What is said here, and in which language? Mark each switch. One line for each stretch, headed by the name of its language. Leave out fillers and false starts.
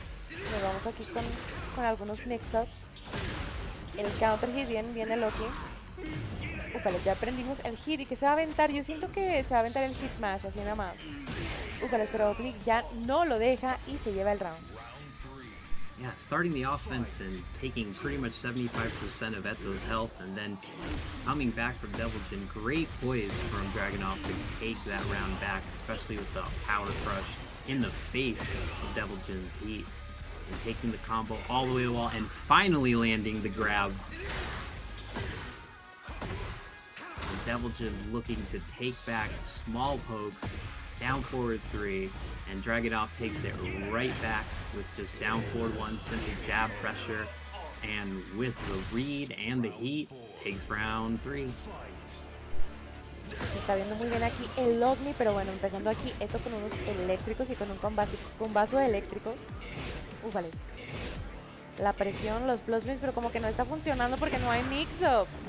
Spanish: Nos vamos aquí con algunos mix-ups. El counter hit viene Loki. Úpale, ya aprendimos el hit y que se va a aventar. Yo siento que se va a aventar el hit smash, así nada más. Úpale, pero Oblik ya no lo deja y se lleva el round.
English: Yeah, starting the offense and taking pretty much 75% of Eto's health and then coming back from Devilgen. Great poise from Dragunov to take that round back, especially with the power crush in the face of Devilgen's heat. And taking the combo all the way to the wall and finally landing the grab. And Devilgen looking to take back small pokes. Down forward three, and Dragunov takes it right back with just down forward one, simple jab pressure, and with the read and the heat, takes round three.
Spanish: Se está viendo muy bien aquí el OVNI, pero bueno, empezando aquí esto con unos eléctricos y con un combazo de eléctricos. Vale. La presión, los plus mix, pero como que no está funcionando porque no hay mix-up.